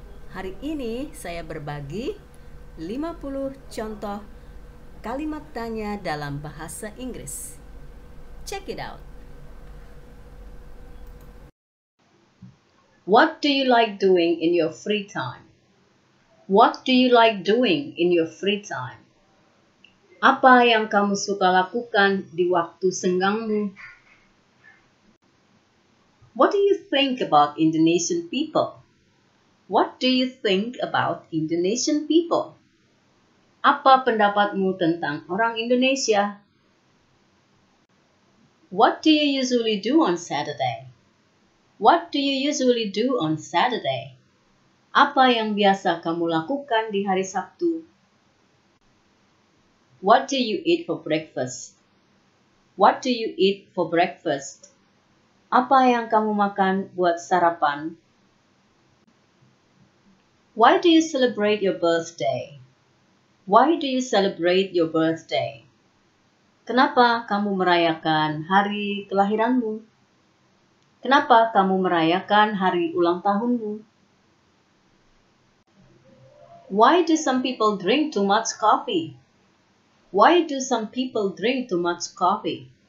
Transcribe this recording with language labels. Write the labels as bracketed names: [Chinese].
[Indonesian] Hari ini saya berbagi 50 contoh kalimat tanya dalam bahasa Inggris. [English] Check it out. What do you like doing in your free time? What do you like doing in your free time? [Indonesian] Apa yang kamu suka lakukan di waktu senggangmu? [English] What do you think about Indonesian people? What do you think about Indonesian people? [Indonesian] Apa pendapatmu tentang orang Indonesia? [English] What do you usually do on Saturday? What do you usually do on Saturday? [Indonesian] Apa yang biasa kamu lakukan di hari Sabtu? [English] What do you eat for breakfast? What do you eat for breakfast? [Indonesian] Apa yang kamu makan buat sarapan? [English] Why do you celebrate your birthday? Why do you celebrate your birthday? [Indonesian] Kenapa kamu merayakan hari kelahiranmu? Kenapa kamu merayakan hari ulang tahunmu? [English] Why do some people drink too much coffee? Why do some people drink too much coffee?